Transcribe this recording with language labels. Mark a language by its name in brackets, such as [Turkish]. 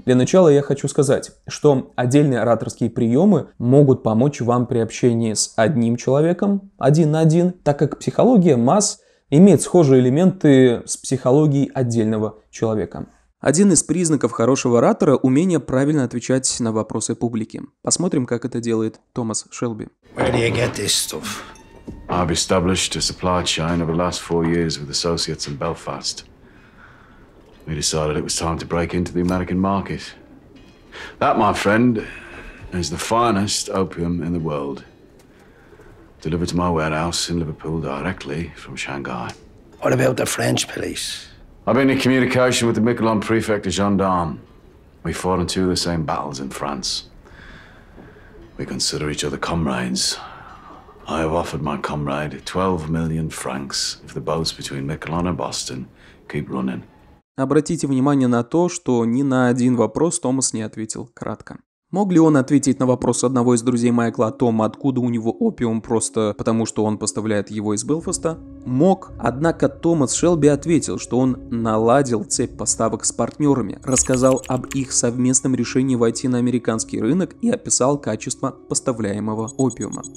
[Russian] Для начала я хочу сказать, что отдельные ораторские приемы могут помочь вам при общении с одним человеком, один на один, так как психология масс имеет схожие элементы с психологией отдельного человека. Один из признаков хорошего оратора – умение правильно отвечать на вопросы публики. Посмотрим, как это делает Томас Шелби. [English] Where do you get this stuff? I've established a supply chain over the last four years with associates in Belfast. We decided it was time to break into the American market. That, my friend, is the finest opium in the world. Delivered to my warehouse in Liverpool directly from Shanghai. What about the French police? I've been in communication with the Miquelon Prefect of Gendarme. We fought in two of the same battles in France. We consider each other comrades. I have offered my comrade 12 million francs if the boats between Miquelon and Boston keep running. [Russian] Обратите внимание на то, что ни на один вопрос Томас не ответил кратко. Мог ли он ответить на вопрос одного из друзей Майкла о том, откуда у него опиум, просто потому что он поставляет его из Белфаста? Мог. Однако Томас Шелби ответил, что он наладил цепь поставок с партнерами, рассказал об их совместном решении войти на американский рынок и описал качество поставляемого опиума.